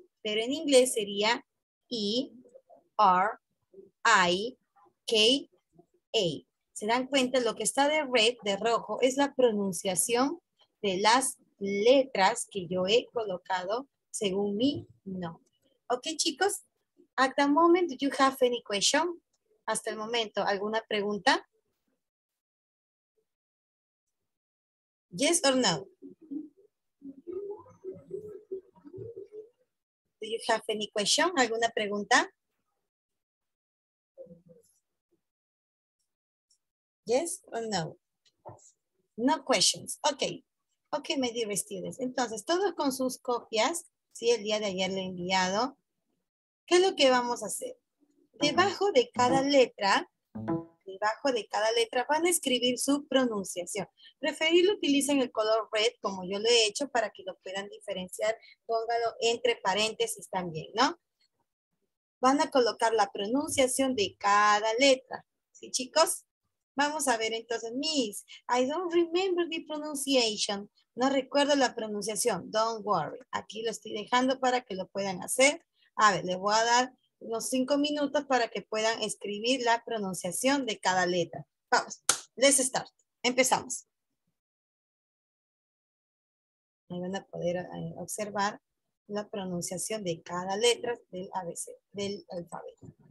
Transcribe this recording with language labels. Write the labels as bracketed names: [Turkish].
[Spanish] Pero en inglés sería E, R, I, K, A. Se dan cuenta, lo que está de red, de rojo, es la pronunciación de las letras que yo he colocado según mi nombre. [English] Ok, chicos, at the moment, do you have any question? [Spanish] Hasta el momento, ¿alguna pregunta? [English] Yes or no? Do you have any question? [Spanish] ¿Alguna pregunta? [English] Yes or no? No questions. Okay. Okay, my dear students. [Spanish] Entonces, todos con sus copias, sí, el día de ayer le he enviado. ¿Qué es lo que vamos a hacer? Debajo de cada letra van a escribir su pronunciación. Preferirlo utilicen el color red, como yo lo he hecho, para que lo puedan diferenciar. Póngalo entre paréntesis también, ¿no? Van a colocar la pronunciación de cada letra. ¿Sí, chicos? Vamos a ver entonces, [English] Miss, I don't remember the pronunciation. [Spanish] No recuerdo la pronunciación. [English] Don't worry. [Spanish] Aquí lo estoy dejando para que lo puedan hacer. A ver, les voy a dar unos 5 minutos para que puedan escribir la pronunciación de cada letra. Vamos, [English] let's start. [Spanish] Empezamos. Ahí van a poder observar la pronunciación de cada letra del ABC, del alfabeto.